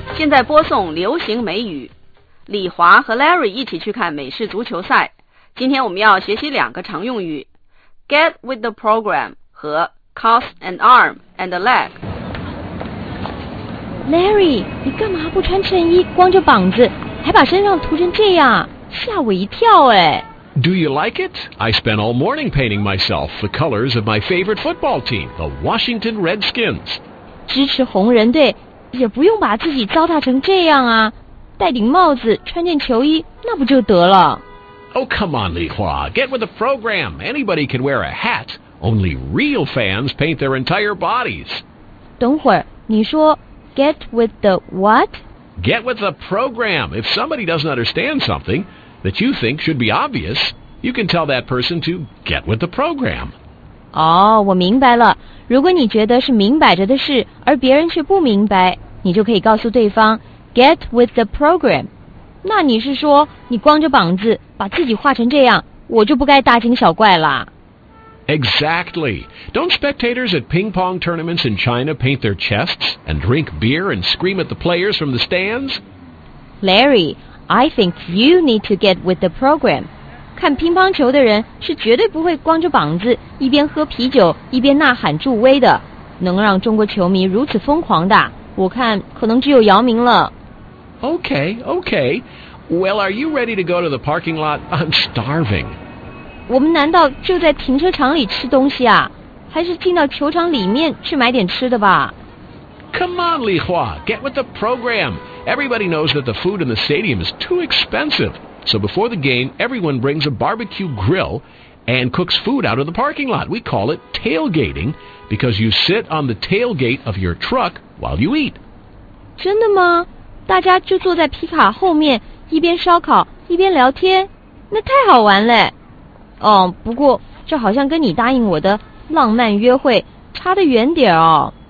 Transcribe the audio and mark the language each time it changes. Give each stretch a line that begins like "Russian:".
Chinese: 在播送流行美语，李华和 Larry 一起去看美式足球赛。今天我们要学习两个常用语
English: Get with the program 和 Cost an arm and a leg。
Chinese: Larry， 你干嘛不穿衬衣，光着膀子还把身上涂成这样，吓我一跳哎。
English: Do you like it? I spent all morning painting myself the colors of my favorite football team, the Washington Redskins.
Chinese: 支持红人队，也不用把自己糟蹋成这样啊，戴顶帽子，穿件球衣，那不就得了。
English: Oh, come on, Li Hua, get with the program. Anybody can wear a hat. Only real fans paint their entire bodies.
Chinese: 等会儿，你说
English: get with the what? Get with the program. If somebody doesn't understand something... that you think should be obvious, you can tell that person to get with the program.
Chinese: 哦，我明白了。如果你觉得是明摆着的事，而别人却不明白，你就可以告诉对方
English: get with the program.
Chinese: 那你是说，你光着膀子，把自己画成这样，我就不该大惊小怪啦。
English: Exactly. Don't spectators at ping pong tournaments in China paint their chests and drink beer and scream at the players from the stands? Larry... I think you need to get with the program.
Chinese: 看乒乓球的人是绝对不会光着膀子一边喝啤酒一边呐喊助威的，能让中国球迷如此疯狂的，我看可能只有姚明了。
English: Okay, okay. Well, are you ready to go to the parking lot? I'm starving.
Chinese: 我们难道就在停车场里吃东西啊？还是进到球场里面去买点吃的吧？
English: Come on, Li Hua, get with the program. Everybody knows that the food in the stadium is too expensive. So before the game, everyone brings a barbecue grill and cooks food out of the parking lot. We call it tailgating because you sit on the tailgate of your truck while you eat.
Chinese: 真的吗？大家就坐在皮卡后面，一边烧烤，一边聊天？那太好玩了。哦，不过这好像跟你答应我的浪漫约会差得远点哦。